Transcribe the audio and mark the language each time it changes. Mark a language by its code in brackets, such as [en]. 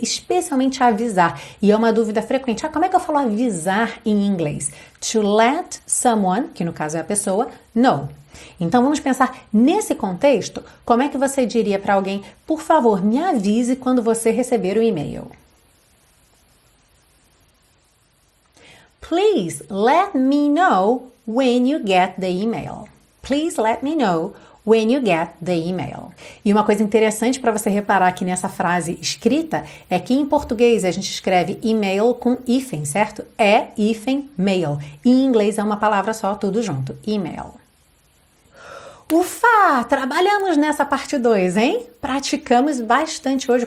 [pt] Especialmente avisar. E é uma dúvida frequente: ah, como é que eu falo avisar em inglês? [en] To let someone, [pt] que no caso é a pessoa, know. Então vamos pensar nesse contexto: como é que você diria para alguém, por favor, me avise quando você receber o e-mail? [en] Please let me know when you get the email. Please let me know when you get the email. [pt] E uma coisa interessante para você reparar aqui nessa frase escrita é que em português a gente escreve email com hífen, certo? É hífen mail. E em inglês é uma palavra só, tudo junto, email. Ufa! Trabalhamos nessa parte 2, hein? Praticamos bastante hoje.